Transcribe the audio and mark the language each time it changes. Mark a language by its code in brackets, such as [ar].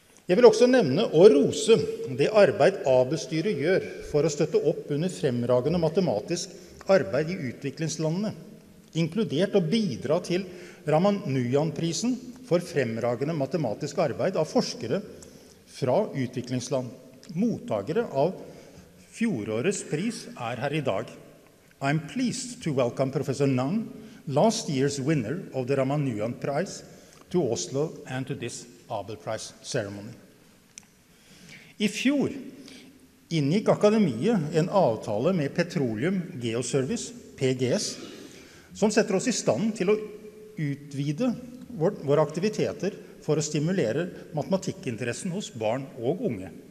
[no] Jeg vil også nevne og rose det arbeid Abelstyret gjør for å støtte opp under fremragende matematisk arbeid I utviklingslandene, inkludert å bidra til Ramanujan-prisen for fremragende matematisk arbeid av forskere fra utviklingsland. Mottagere av fjorårets pris her I dag. [en] I am pleased to welcome Professor Nang, last year's winner of the Ramanujan Prize, to Oslo and to this Abel Prize ceremony. [no] I fjor inngikk akademiet en avtale med Petroleum Geoservice, PGS, som setter oss I stand til å utvide våre aktiviteter for å stimulere matematikkinteressen hos barn og unge.